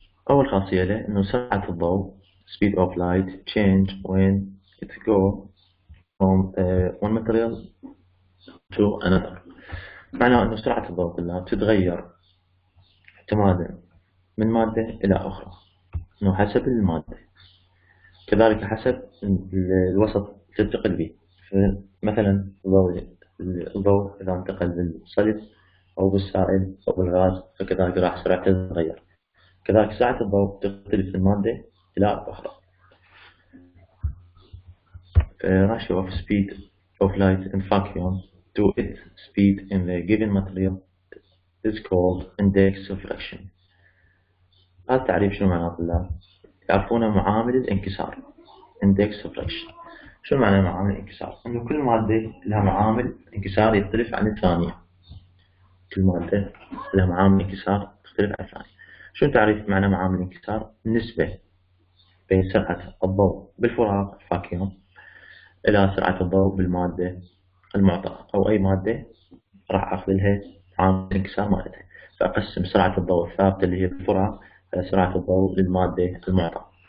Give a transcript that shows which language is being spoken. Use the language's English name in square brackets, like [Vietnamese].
[Arabic] أول خاصية له إنه سرعة الضوء [English] speed of light change when it go from one material to another، [Arabic] معناه إنه سرعة الضوء كلها تتغير اعتمادا من مادة إلى أخرى، إنه حسب المادة كذلك حسب الوسط تنتقل به. مثلا الضوء إذا انتقل بالصلب أو بالسائل أو بالغاز فكذلك راح سرعته تتغير، كذلك سرعة الضوء تختلف من مادة إلى أخرى. [English] Ratio of speed of light in vacuum to its speed in the given material is called index of reflection. [Arabic] هذا تعريف شنو معناه طلاب؟ يعرفونه معامل الانكسار index of reflection. شو معنى معامل الانكسار؟ انه كل مادة لها معامل انكسار يختلف عن الثانية، كل مادة لها معامل انكسار تختلف عن الثانية. شو تعريف معنى معامل الانكسار؟ النسبة بين سرعة الضوء بالفراغ الفاكيوم إلى سرعة الضوء بالمادة المعطى أو أي مادة راح أخذ لها معامل انكسار مالتها، فأقسم سرعة الضوء الثابتة اللي هي الفراغ إلى سرعة الضوء للمادة المعطى.